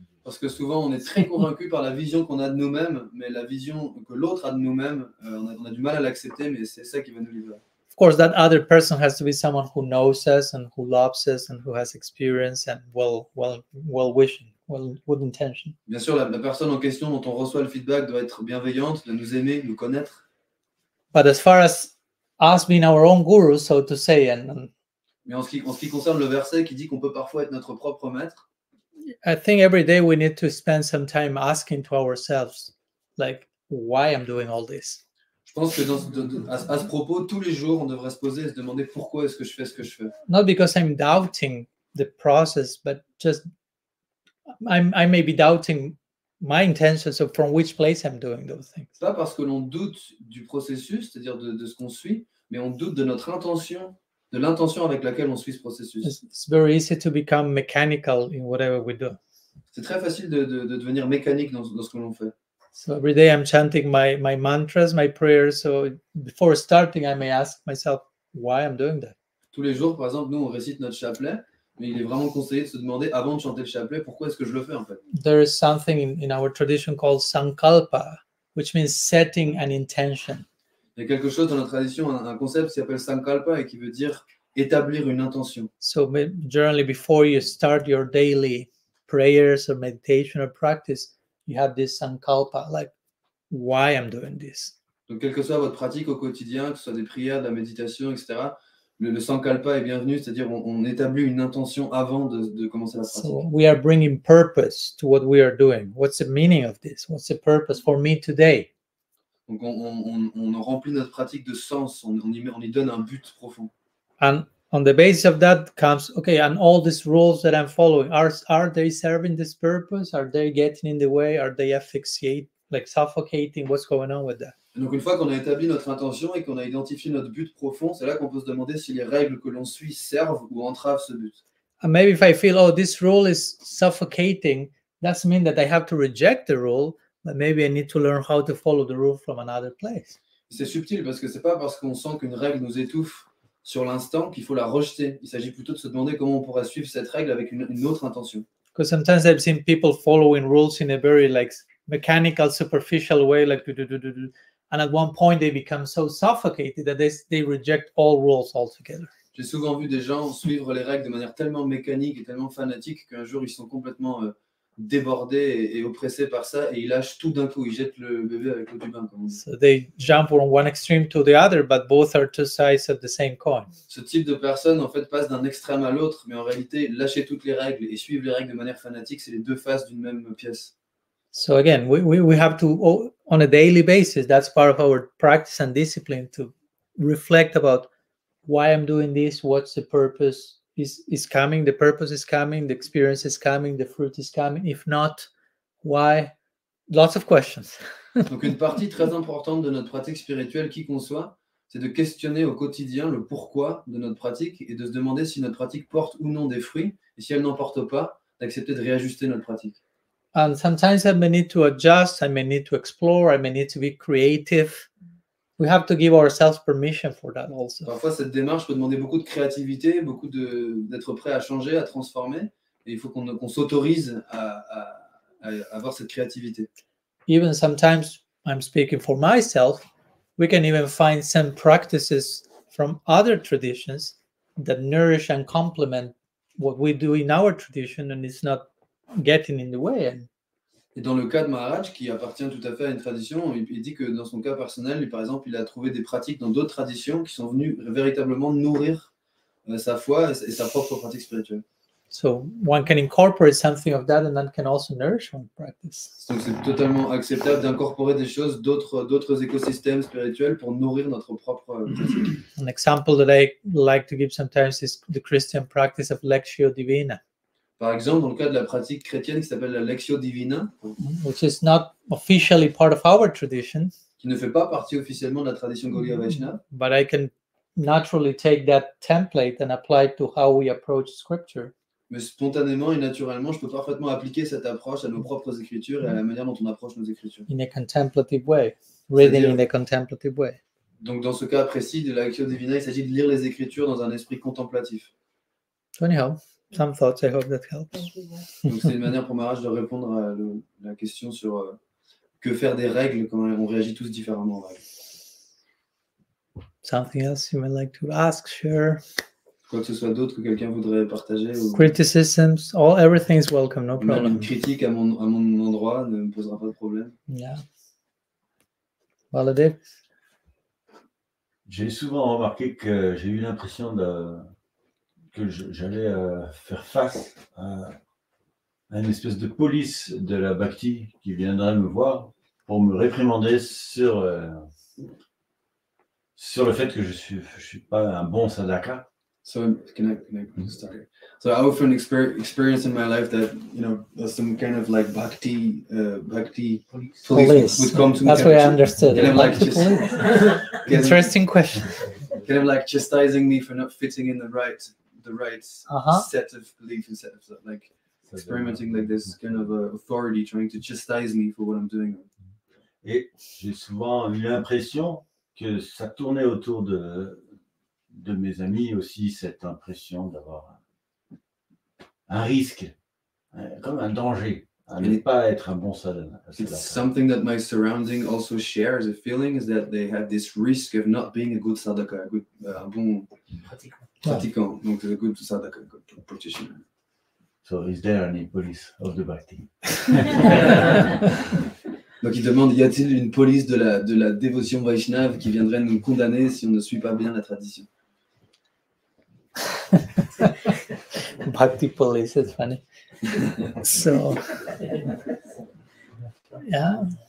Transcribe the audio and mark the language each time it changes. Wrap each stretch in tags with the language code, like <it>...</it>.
<fr>Parce que souvent, on est très convaincu par la vision qu'on a de nous-mêmes, mais la vision que l'autre a de nous-mêmes, on a du mal à l'accepter, mais c'est ça qui va nous libérer.</fr> <en>Of course, that other person has to be someone who knows us and who loves us and who has experience and well-wishing, good intention.</en> <fr>Bien sûr, la personne en question dont on reçoit le feedback doit être bienveillante, doit nous aimer, nous connaître.</fr> <en>But as far as us being our own guru, so to say, and...</en> <fr>Mais en ce qui concerne le verset qui dit qu'on peut parfois être notre propre maître,</fr> <en>I think every day we need to spend some time asking to ourselves, like, why I'm doing all this.</en> <fr>Je pense que à ce propos, tous les jours, on devrait se poser et se demander pourquoi est-ce que je fais ce que je fais.</fr> <en>Not because I'm doubting the process, but just I may be doubting my intentions of from which place I'm doing those things.</en> <fr>Pas parce que l'on doute du processus, c'est-à-dire de ce qu'on suit, mais on doute de notre intention. De l'intention avec laquelle on suit ce processus.</fr> <en>It's very easy to become mechanical in whatever we do.</en> <fr>C'est très facile de devenir mécanique dans ce que l'on fait.</fr> <en>So every day I'm chanting my mantras, my prayers. So before starting, I may ask myself why I'm doing that.</en> <fr>Tous les jours, par exemple, nous on récite notre chapelet, mais il est vraiment conseillé de se demander avant de chanter le chapelet pourquoi est-ce que je le fais en fait.</fr> <en>There is something in our tradition called sankalpa, which means setting an intention.</en> <fr>Il y a quelque chose dans la tradition, un concept qui s'appelle sankalpa et qui veut dire établir une intention.</fr> <en>So generally before you start your daily prayers or meditation or practice, you have this sankalpa, like why I'm doing this.</en> <fr>Donc quelle que soit votre pratique au quotidien, que ce soit des prières, de la méditation, etc., le sankalpa est bienvenu, c'est-à-dire on établit une intention avant de commencer la pratique.</fr> <en>So we are bringing purpose to what we are doing. What's the meaning of this? What's the purpose for me today?</en> <fr>Donc on remplit notre pratique de sens, on y donne un but profond.</fr> <en>And on the basis of that comes, okay, and all these rules that I'm following, are they serving this purpose? Are they getting in the way? Are they asphyxiating, like suffocating? What's going on with that?</en> <fr>Donc une fois qu'on a établi notre intention et qu'on a identifié notre but profond, c'est là qu'on peut se demander si les règles que l'on suit servent ou entravent ce but.</fr> <en>And maybe if I feel, oh, this rule is suffocating, that's mean that I have to reject the rule, but maybe I need to learn how to follow the rule from another place.</en> <fr>C'est subtil parce que c'est pas parce qu'on sent qu'une règle nous étouffe sur l'instant qu'il faut la rejeter. Il s'agit plutôt de se demander comment on pourrait suivre cette règle avec une autre intention.</fr> <en>Because sometimes I've seen people following rules in a very like mechanical, superficial way, like do do do do do. And at one point, they become so suffocated that they reject all rules altogether.</en> <fr>J'ai souvent vu des gens suivre les règles de manière tellement mécanique et tellement fanatique qu'un jour ils sont complètement débordés et oppressés par ça et ils lâchent tout d'un coup, ils jettent le bébé avec l'eau du bain.</fr> <en>So they jump from one extreme to the other, but both are two sides of the same coin.</en> <fr>Ce type de personne en fait passe d'un extrême à l'autre, mais en réalité, lâcher toutes les règles et suivre les règles de manière fanatique, c'est les deux faces d'une même pièce.</fr> <en>So again, we have to on a daily basis, that's part of our practice and discipline to reflect about why I'm doing this, what's the purpose is coming, the purpose is coming, the experience is coming, the fruit is coming. If not, why? Lots of questions.</en> <fr>Donc une partie très importante de notre pratique spirituelle, qui qu'on soit, c'est de questionner au quotidien le pourquoi de notre pratique et de se demander si notre pratique porte ou non des fruits, et si elle n'en porte pas, d'accepter de réajuster notre pratique.</fr> <en>And sometimes I may need to adjust, I may need to explore, I may need to be creative. We have to give ourselves permission for that also.</en> <fr>Parfois, cette démarche peut demander beaucoup de créativité, beaucoup d'être prêt à changer, à transformer. Et il faut qu'on s'autorise à avoir cette créativité.</fr> <en>Even sometimes, I'm speaking for myself, we can even find some practices from other traditions that nourish and complement what we do in our tradition, and it's not getting in the way.</en> <fr>Et dans le cas de Maharaj, qui appartient tout à fait à une tradition, il dit que dans son cas personnel, lui, par exemple, il a trouvé des pratiques dans d'autres traditions qui sont venues véritablement nourrir sa foi et sa propre pratique spirituelle.</fr> <en>So one can incorporate something of that, and that can also nourish one's practice.</en> <fr>Donc c'est totalement acceptable d'incorporer des choses d'autres écosystèmes spirituels pour nourrir notre propre pratique.</fr> <en>An example that I like to give sometimes is the Christian practice of Lectio Divina.</en> <fr>Par exemple, dans le cas de la pratique chrétienne qui s'appelle la Lectio Divina,</fr> <en>which is not officially part of our tradition,</en> <fr>qui ne fait pas partie officiellement de la tradition Gaudiya Vaishnava,</fr> <en>but I can naturally take that template and apply it to how we approach scripture.</en> <fr>Mais spontanément et naturellement, je peux parfaitement appliquer cette approche à nos propres écritures et à la manière dont on approche nos écritures.</fr> <en>In a contemplative way, reading in a contemplative way.</en> <fr>Donc dans ce cas précis de la Lectio Divina, il s'agit de lire les écritures dans un esprit contemplatif.</fr> <en>Anyhow. Some thoughts, I hope that helps.</en> <fr>Donc c'est une manière pour Maharaj de répondre à la question sur que faire des règles quand on réagit tous différemment aux règles.</fr> <en>Something else you would like to ask, sure.</en> <fr>Quoi que ce soit d'autre que quelqu'un voudrait partager. Ou...</fr> <en>Criticisms, all everything is welcome, no problem.</en> <fr>Même une critique à mon endroit ne me posera pas de problème.</fr> <en>Yeah. Valadev.</en> <fr>J'ai souvent remarqué que j'ai eu l'impression que j'allais faire face à une espèce de police de la Bhakti qui viendrait me voir pour me réprimander sur le fait que je suis pas un bon sadhaka.</fr> <en>So can I start here? So I often experience in my life that, you know, some kind of like bhakti police would come to me. That's what I understood. And I'm like, interesting question. Kind of like chastising me for not fitting in the right set of belief instead of like experimenting like this kind of authority trying to chastise me for what I'm doing.</en> <fr>Et j'ai souvent eu l'impression que ça tournait autour de mes amis aussi, cette impression d'avoir un risque, comme un danger. n'est pas être un bon salon.</fr> <en>It's something that my surrounding also share as a feeling is that they have this risk of not being a good sadaka, a good</en> <fr>pratiquant, donc</fr> <en>a good sadaka, a good practitioner. So is there any police of the bhakti?</en> <fr>Donc il demande, y a-t-il une police de la dévotion Vaishnava qui viendrait nous condamner si on ne suit pas bien la tradition?</fr> <en>Bhakti police,</en> <fr>c'est</fr> <en>funny. So, yeah.</en>